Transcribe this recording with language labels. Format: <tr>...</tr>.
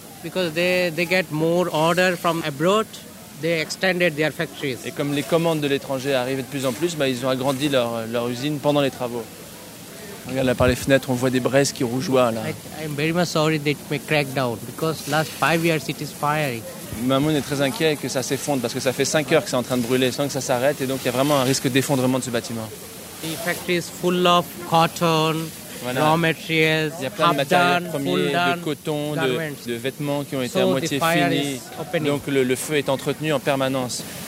<en>Because they get more order from abroad, they extended their factories.</en> <fr>Et comme les commandes de l'étranger arrivaient de plus en plus, bah, ils ont agrandi leur usine pendant les travaux. Regarde là par les fenêtres, on voit des braises qui rougeoient là.</fr> <en>I'm very much sorry that it may crack down because last 5 years it is firing.</en> <fr>Mamoun est très inquiet que ça s'effondre parce que ça fait 5 heures que c'est en train de brûler sans que ça s'arrête et donc il y a vraiment un risque d'effondrement de ce bâtiment.</fr> <en>The factory is full of cotton, voilà. Raw materials,</en> <fr>il y a plein de matériaux premiers, de coton, de vêtements qui ont été à moitié finis. Donc le feu est entretenu en permanence.</fr>